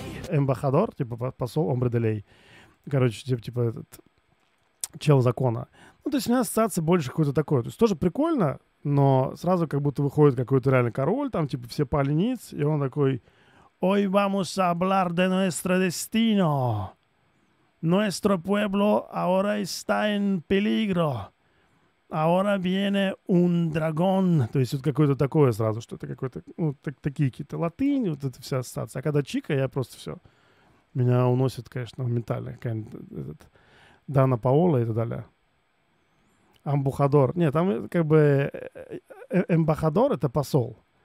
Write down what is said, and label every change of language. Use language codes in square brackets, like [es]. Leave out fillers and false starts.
[ru] Эмбахадор, типа посол, омбре де лей. Короче, типа этот чел закона. Ну, то есть у меня ассоциация больше какой-то такой. То есть тоже прикольно, но сразу как будто выходит какой-то реально король, там типа все пали ниц, и он такой [es] «Hoy vamos a hablar de nuestro destino. Nuestro pueblo ahora está en peligro. Ahora viene un dragón». [ru] То есть вот какое-то такое сразу, что это какой-то, ну, такие какие-то латыни, вот эта вся ассоциация. А когда чика, я просто все. Меня уносит, конечно, моментально какая-нибудь этот, Дана Паола и так далее. Амбухадор. Нет, там как бы эмбахадор — это посол.